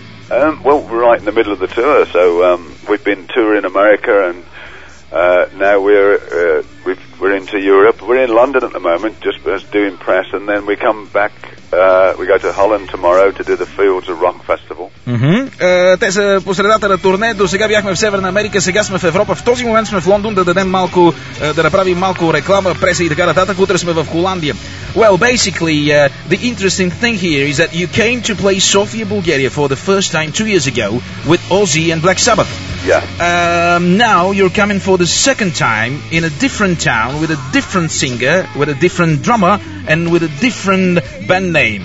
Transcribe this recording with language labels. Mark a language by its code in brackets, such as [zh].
[en] Well, we're right in the middle of the tour, so we've been touring America, and now we're into Europe. We're in London at the moment, just doing press, and then we come back. We go to Holland tomorrow to do the Fields of Rock Festival. [bg] Те са по средата на турне. До сега бяхме в Северна Америка, сега сме в Европа. В този момент сме в Лондон да дадем малко, да направим малко реклама, преса и така нататък. Утре сме в Холандия. [en] Well, basically, the interesting thing here is that you came to play Sofia, Bulgaria for the first time 2 years ago with Ozzy and Black Sabbath. Yeah. Now you're coming for the second time in a different town with a different singer, with a different drummer, and with a different band name.